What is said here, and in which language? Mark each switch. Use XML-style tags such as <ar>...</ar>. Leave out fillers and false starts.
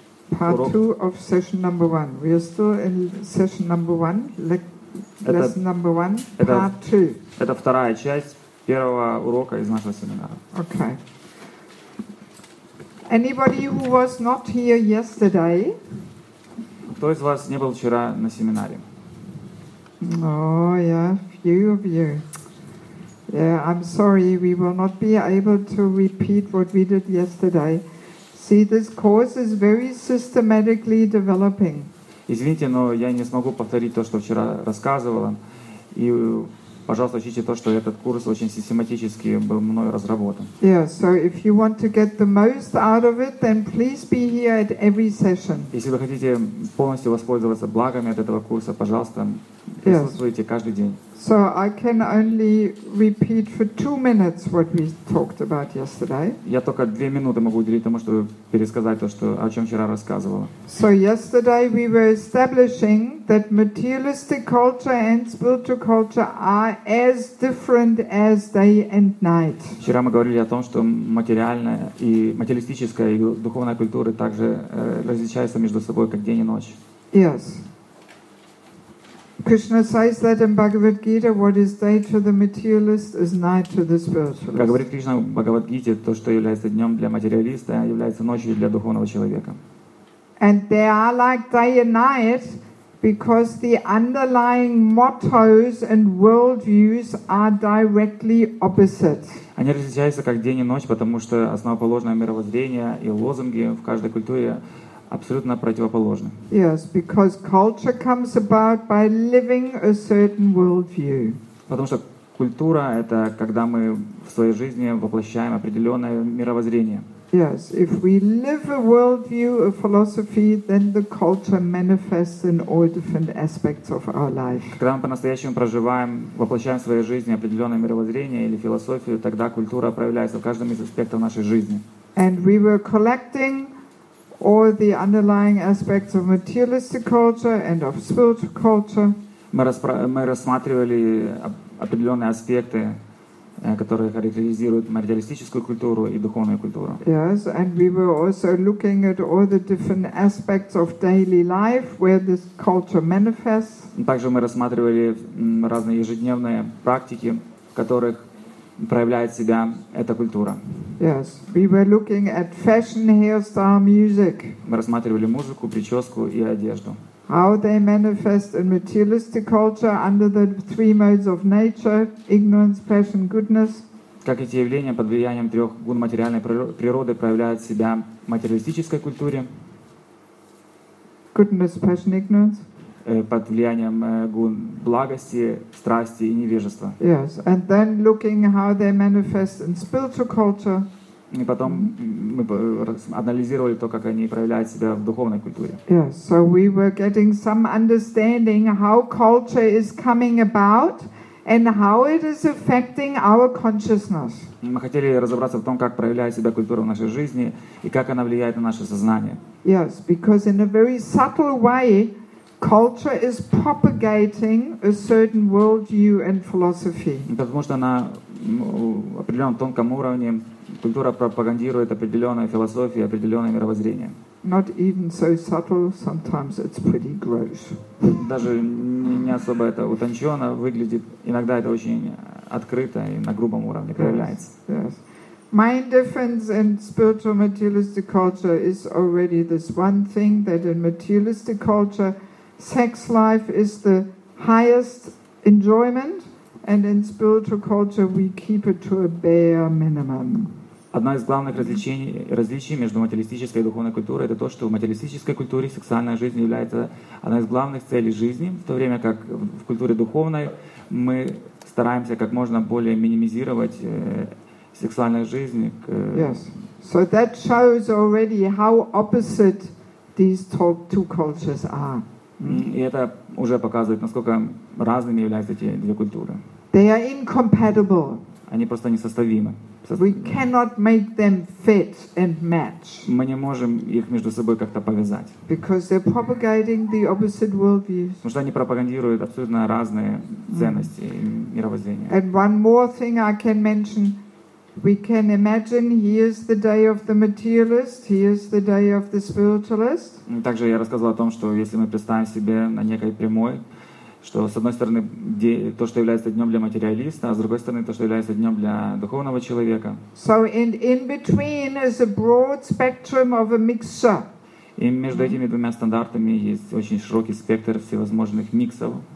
<en>Part two of session number one. We are still in session number one, lesson number one, part two.</en> <ru>Это вторая часть первого урока из нашего семинара.</ru> <en>Okay. Anybody who was not here yesterday?</en> <ru>Кто из вас не был вчера на семинаре?</ru> <en>Oh, yeah, few of you. Yeah, I'm sorry, we will not be able to repeat what we did yesterday. See, this course is very systematically developing.</en> <ru>Извините, но я не смогу повторить то, что вчера рассказывала. И, пожалуйста, учтите то, что этот курс очень систематически был мной разработан.</ru> <en>Yeah, so if you want to get the most out of it, then please be here at every session.</en> <ru>Если вы хотите полностью воспользоваться благами от этого курса, пожалуйста, присутствуйте каждый день.</ru> <en>So I can only repeat for 2 minutes what we talked about yesterday.</en> <ru>Я только 2 минуты могу уделить тому, чтобы пересказать то, что о чем вчера рассказывала.</ru> <en>So yesterday we were establishing that materialistic culture and spiritual culture are as different as day and night.</en> <ru>Вчера мы говорили о том, что материальная и материалистическая и духовная культура также различаются между собой как день и ночь.</ru> <en>Yes. Krishna says that in Bhagavad Gita, what is day to the materialist is night to the spiritualist.</en> <ru>Как говорит Кришна в Бхагавад Гите, то, что является днем для материалиста, является ночью для духовного человека.</ru> <en>And they are like day and night because the underlying mottos and worldviews are directly opposite.</en> <ru>Они различаются как день и ночь, потому что основоположное мировоззрение и лозунги в каждой культуре абсолютно противоположно.</ru> <en>Yes, because culture comes about by living a certain worldview.</en> <ru>Потому что культура — это когда мы в своей жизни воплощаем определенное мировоззрение.</ru> <en>Yes, if we live a worldview, a philosophy, then the culture manifests in all different aspects of our life.</en> <ru>Когда мы по-настоящему проживаем, воплощаем в своей жизни определенное мировоззрение или философию, тогда культура проявляется в каждом из аспектов нашей жизни.</ru> <en>And we were collecting all the underlying aspects of materialistic culture and of spiritual culture.</en> <ru>Мы рассматривали определенные аспекты, которые характеризуют материалистическую культуру и духовную культуру.</ru> <en>Yes, and we were also looking at all the different aspects of daily life where this culture manifests.</en> <ru>Также мы рассматривали разные ежедневные практики, в которых проявляет себя эта культура.</ru> <en>Yes, we were looking at fashion, hairstyle, music.</en> <ru>Мы рассматривали музыку, прическу и одежду.</ru> <en>How they manifest in materialistic culture under the three modes of nature, ignorance, passion, goodness.</en> <ru>Как эти явления под влиянием трех гун материальной природы проявляют себя в материалистической культуре?</ru> <en>Goodness, passion, ignorance.</en> <ru>Под влиянием гун благости, страсти и невежества.</ru> <en>Yes, and then looking how they manifest in spiritual culture.</en> <ru>И потом мы анализировали то, как они проявляют себя в духовной культуре.</ru> <en>Yes, so we were getting some understanding how culture is coming about and how it is affecting our consciousness.</en> <ru>Мы хотели разобраться в том, как проявляет себя культура в нашей жизни и как она влияет на наше сознание.</ru> <en>Yes, because in a very subtle way culture is propagating a certain worldview and philosophy.</en> <ru>Потому что на определенном тонком уровне культура пропагандирует определенную философию, определенное мировоззрение.</ru> <en>Not even so subtle, sometimes it's pretty gross.</en> <ru>Даже не особо это утонченно выглядит, иногда это очень открыто и на грубом уровне проявляется.</ru> <en>Yes. My indifference in spiritual materialistic culture is already this one thing, that in materialistic culture sex life is the highest enjoyment, and in spiritual culture we keep it to a bare minimum.</en> <ru>Одно из главных различий между материалистической и духовной культурой — это то, что в материалистической культуре сексуальная жизнь является одной из главных целей жизни, в то время как в культуре духовной мы стараемся как можно более минимизировать сексуальную жизнь.</ru> <en>Yes. So that shows already how opposite these two cultures are.</en> <ru>И это уже показывает, насколько разными являются эти две культуры.</ru> <en>They are incompatible.</en> <ru>Они просто несоставимы.</ru> <en>We cannot make them fit and match.</en> <ru>Мы не можем их между собой как-то повязать.</ru> <en>Because they're propagating the opposite worldviews.</en> <ru>Потому что они пропагандируют абсолютно разные ценности и мировоззрения.</ru> <en>And one more thing I can mention. We can imagine here's the day of the materialist, here's the day of the spiritualist.</en> <ru>Также я рассказывал о том, что если мы представим себе на некой прямой, что с одной стороны то, что является днем для материалиста, а с другой стороны то, что является днем для духовного человека.</ru> <en>So in between is a broad spectrum of a mixture.</en> <ru>И между этими двумя стандартами есть очень широкий спектр всевозможных миксов.</ru>